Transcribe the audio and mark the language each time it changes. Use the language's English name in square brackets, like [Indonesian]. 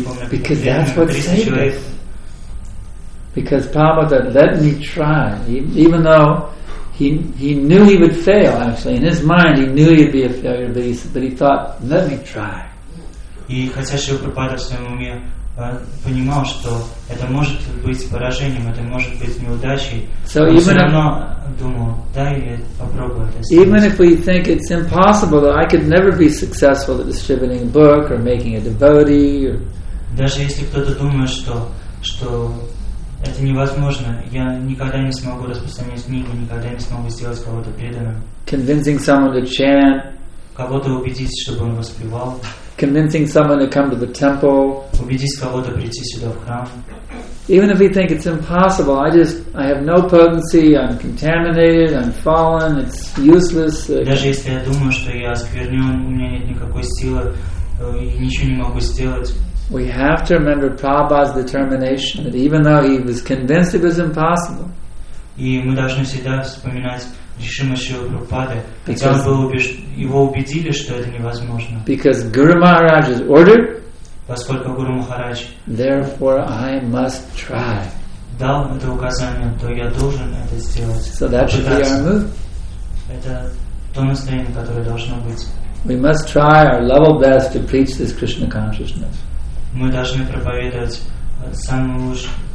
[English] Because that's what saved us. Because Prabhupada let me try, even though he knew he would fail, actually. In his mind, he knew he'd be a failure, but he thought, let me try. [Russian] И хотя Шрила Прабхупада в своем уме понимал, что это может быть поражением, это может быть неудачей, [English] so [Russian] он все равно думал, дай я попробую это сделать. [English] Even if we think it's impossible that I could never be successful at distributing a book or making a devotee, or [Russian] даже если кто-то думает, что это невозможно, я никогда не смогу распространять книгу, никогда не смогу сделать кого-то преданным. [English] Convincing someone to chant. [Russian] Кого-то убедить, чтобы он воспевал. [English] Convincing someone to come to the temple. [Russian] Убедить кого-то прийти сюда в храм. [English] Even if we think it's impossible, I have no potency, I'm contaminated, I'm fallen, it's useless. [Russian] Даже если я думаю, что я осквернен, у меня нет никакой силы, и ничего не могу сделать. [English] We have to remember Prabhupada's determination that even though he was convinced it was impossible. [Russian] И мы должны всегда вспоминать решимость Шрилы Прабхупады, хотя его убедили, что это невозможно. [English] Because Guru Maharaj has ordered, [Russian] поскольку Гуру Махарадж, [English] therefore I must try. [Russian] Дал это указание, то я должен это сделать. [English] So that should be our move. [Russian] Это то настроение, которое должно быть. [English] We must try our level best to preach this Krishna consciousness. [Russian] Мы должны проповедовать самым лучшим.